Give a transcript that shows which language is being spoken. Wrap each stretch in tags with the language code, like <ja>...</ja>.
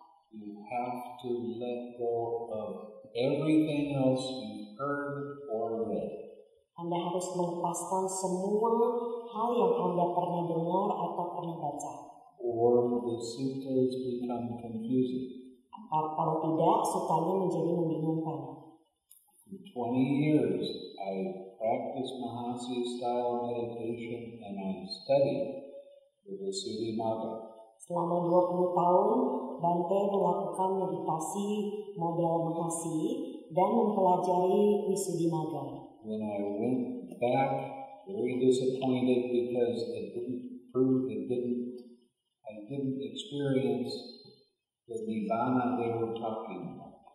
<en>you have to let go of everything else you heard or read.</en> <id>Anda harus melepaskan semua hal yang Anda pernah dengar atau pernah baca.</id> <en>Or the suttas become confusing.</en> <id>Kalau tidak, suttanya menjadi membingungkan.</id> <en>For 20 years, I practiced Mahasi style meditation and I studied with the Sutimaga.</en> <id>Selama 20 tahun, Bhante melakukan meditasi model Mahasi dan mempelajari Sutimaga.</id> <en>When I went back, very disappointed because it didn't prove, I didn't experience the Nibbana they were talking about.</en>